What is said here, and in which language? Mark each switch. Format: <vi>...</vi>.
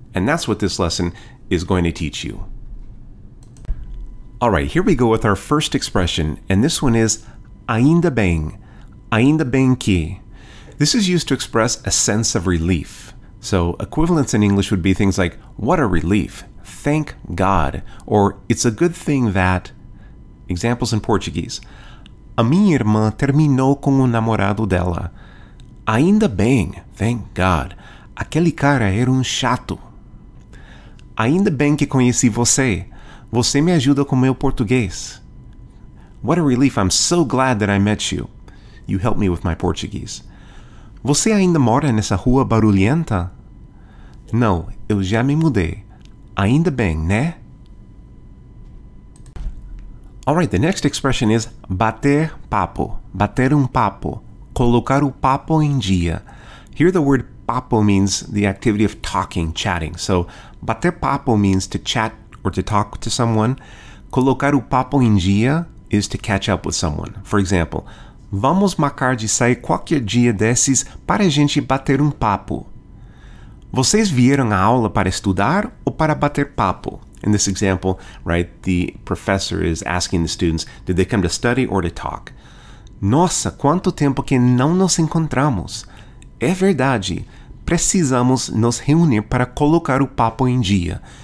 <en>And that's what this lesson is going to teach you. All right, here we go with our first expression, and this one is ainda bem que. This is used to express a sense of relief. So equivalents in English would be things like, what a relief, thank God, or it's a good thing that. Examples in Portuguese.</en> <pt>A minha irmã terminou com o namorado dela. Ainda bem,</pt> <en>thank God,</en> <pt>aquele cara era chato. Ainda bem que conheci você. Você me ajuda com meu português.</pt> <en>What a relief, I'm so glad that I met you. You helped me with my Portuguese.</en> <pt>Você ainda mora nessa rua barulhenta? No, eu já me mudei. Ainda bem, né?</pt> <en>Alright, the next expression is bater papo. Bater papo.</en> <pt>Colocar papo em dia.</pt> <en>Here the word papo means the activity of talking, chatting. So, bater papo means to chat or to talk to someone. Colocar papo em dia is to catch up with someone. For example,</en> <pt>vamos marcar de sair qualquer dia desses para a gente bater papo. Vocês vieram à aula para estudar ou para bater papo?</pt> <en>In this example, right, the professor is asking the students, did they come to study or to talk?</en> <pt>Nossa, quanto tempo que não nos encontramos. É verdade, precisamos nos reunir para colocar papo em dia.</pt>